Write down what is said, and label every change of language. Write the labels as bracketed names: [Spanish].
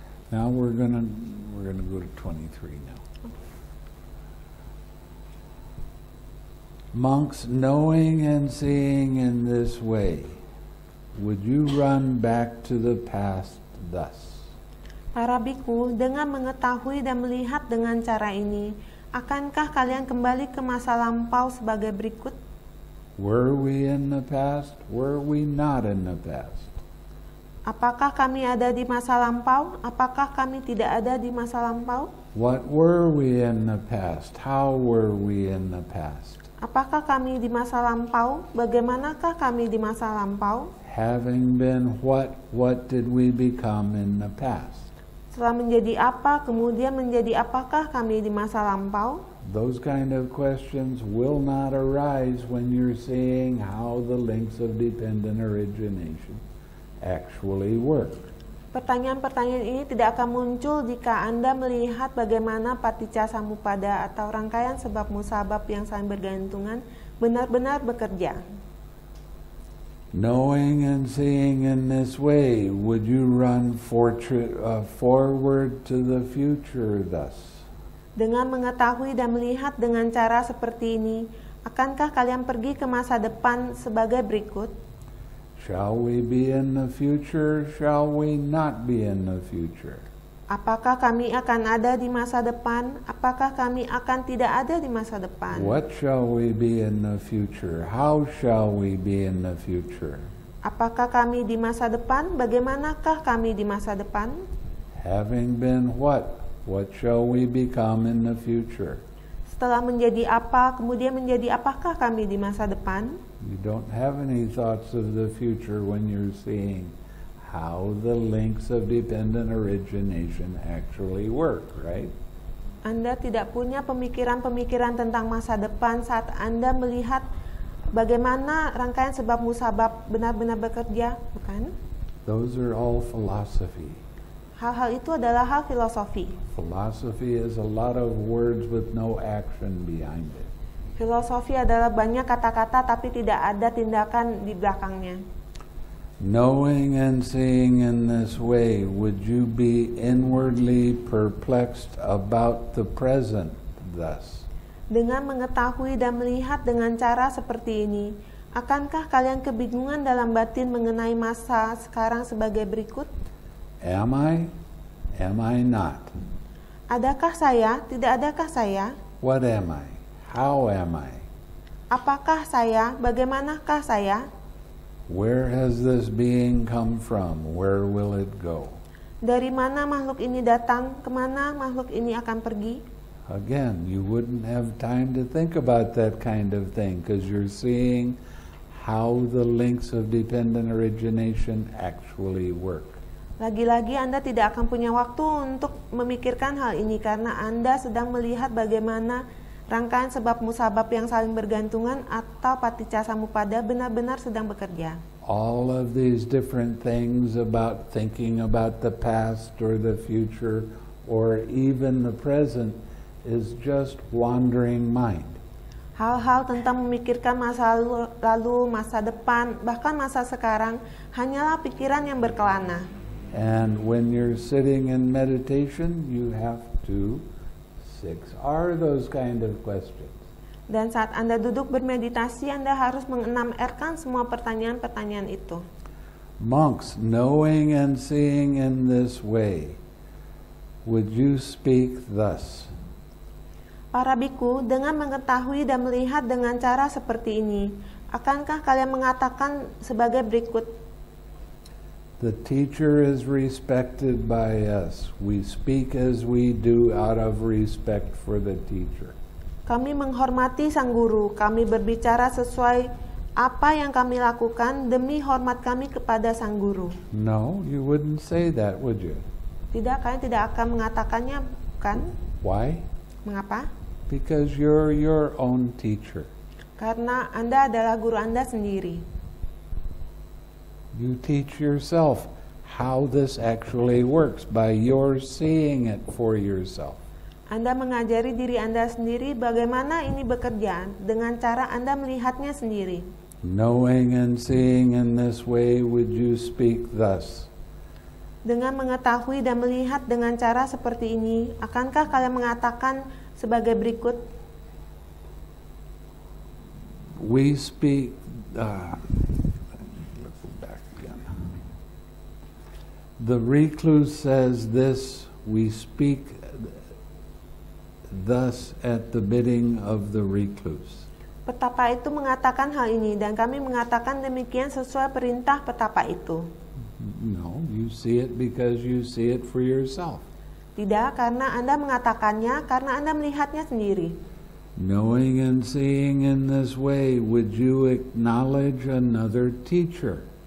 [English] Now we're gonna go to 23 now. monks knowing and seeing in this way, would you run back to the past thus? [Indonesian] Para bhikkhu, dengan mengetahui dan melihat dengan cara ini, akankah kalian kembali ke masa lampau sebagai berikut? [English] Were we in the past? Were we not in the past? [Indonesian] Apakah kami ada di masa lampau? Apakah kami tidak ada di masa lampau? [English] What were we in the past? How were we in the past? [Indonesian] Apakah kami di masa lampau? Bagaimanakah kami di masa lampau? [English] Having been what did we become in the past? [Indonesian] Setelah menjadi apa, kemudian menjadi apakah kami di masa lampau? [English] Those kind of questions will not arise when you're seeing how the links of dependent origination actually work. [Indonesian] Pertanyaan-pertanyaan ini tidak akan muncul jika Anda melihat bagaimana paticca-samuppada atau rangkaian sebab-musabab yang saling bergantungan benar-benar bekerja. [English] Knowing and seeing in this way, would you run forward to the future thus? [Indonesian] Dengan mengetahui dan melihat dengan cara seperti ini, akankah kalian pergi ke masa depan sebagai berikut? [English] Shall we be in the future? Shall we not be in the future? [Indonesian] Apakah kami akan ada di masa depan? Apakah kami akan tidak ada di masa depan? [English] What shall we be in the future? How shall we be in the future? [Indonesian] Apakah kami di masa depan? Bagaimanakah kami di masa depan? [English] Having been what? What shall we become in the future? [Indonesian] Setelah menjadi apa, kemudian menjadi apakah kami di masa depan? [English] You don't have any thoughts of the future when you're seeing how the links of dependent origination actually work, right? [Indonesian] Anda tidak punya pemikiran-pemikiran tentang masa depan saat Anda melihat bagaimana rangkaian sebab-musabab benar-benar bekerja, bukan? [English] Those are all philosophy. [Indonesian] Hal-hal itu adalah hal filosofi. [English] Philosophy is a lot of words with no action behind it. [Indonesian] Filosofi adalah banyak kata-kata tapi tidak ada tindakan di belakangnya. [English] Knowing and seeing in this way, would you be inwardly perplexed about the present thus? [Indonesian] Dengan mengetahui dan melihat dengan cara seperti ini, akankah kalian kebingungan dalam batin mengenai masa sekarang sebagai berikut? [English] Am I? Am I not? [Indonesian] Adakah saya? Tidak adakah saya? [English] What am I? How am I? [Indonesian] Apakah saya? Bagaimanakah saya? [English] Where has this being come from? Where will it go? [Indonesian] Dari mana makhluk ini datang? Kemana makhluk ini akan pergi? [English] Again, you wouldn't have time to think about that kind of thing because you're seeing how the links of dependent origination actually work. [Indonesian] Lagi-lagi Anda tidak akan punya waktu untuk memikirkan hal ini karena Anda sedang melihat bagaimana rangkaian sebab-musabab yang saling bergantungan atau paticca-samuppada benar-benar sedang bekerja. [English] All of these different things about thinking about the past or the future or even the present is just wandering mind. [Indonesian] Hal-hal tentang memikirkan masa lalu, masa depan, bahkan masa sekarang hanyalah pikiran yang berkelana. [English] And when you're sitting in meditation, you have to six R those kind of questions. [Indonesian] Dan saat Anda duduk bermeditasi, Anda harus mengenam R-kan semua pertanyaan-pertanyaan itu. [English] Monks, knowing and seeing in this way, would you speak thus? [Indonesian] Para bhikkhu, dengan mengetahui dan melihat dengan cara seperti ini, akankah kalian mengatakan sebagai berikut? [English] The teacher is respected by us. We speak as we do out of respect for the teacher. [Indonesian] Kami menghormati sang guru. Kami berbicara sesuai apa yang kami lakukan demi hormat kami kepada sang guru. [English] No, you wouldn't say that, would you? [Indonesian] Tidak, kalian tidak akan mengatakannya, kan? [English] Why? [Indonesian] Mengapa? [English] Because you're your own teacher. [Indonesian] Karena Anda adalah guru Anda sendiri. [English] You teach yourself how this actually works by your seeing it for yourself. [Indonesian] Anda mengajari diri Anda sendiri bagaimana ini bekerja dengan cara Anda melihatnya sendiri. [English] Knowing and seeing in this way, would you speak thus? [Indonesian] Dengan mengetahui dan melihat dengan cara seperti ini, akankah kalian mengatakan sebagai berikut? [English] We speak, let's go back again. The recluse says this, we speak thus at the bidding of the recluse. [Indonesian] Petapa itu mengatakan hal ini, dan kami mengatakan demikian sesuai perintah petapa itu. [English] No, you see it because you see it for yourself. [Indonesian] Tidak, karena Anda mengatakannya, karena Anda melihatnya sendiri. [English] Knowing and seeing in this way, would you acknowledge another teacher?